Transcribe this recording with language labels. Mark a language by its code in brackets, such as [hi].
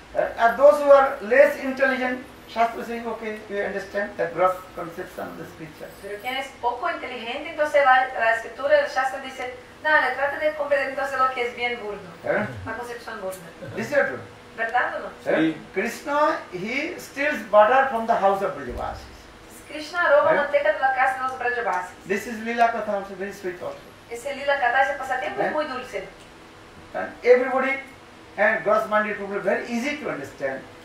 [en] And those who are less intelligent, Shastra saying, okay, you understand the gross conception of the scripture. [es] Pero quien es poco inteligente, entonces la escritura, el Shastra dice, dale, trata de comprender entonces lo que es bien burdo, la concepción burda. [en] Is that true? [es] ¿Verdad o no? [en] Krishna, he steals butter from the house of Brajavasis. [es] Krishna roba manteca de la casa de los Brajavasis. [en] This is Lila Katha, also very sweet also. [es] Ese lila kata, ese pasatiempo es muy dulce. [en] And everybody and gross-minded people very easy to understand.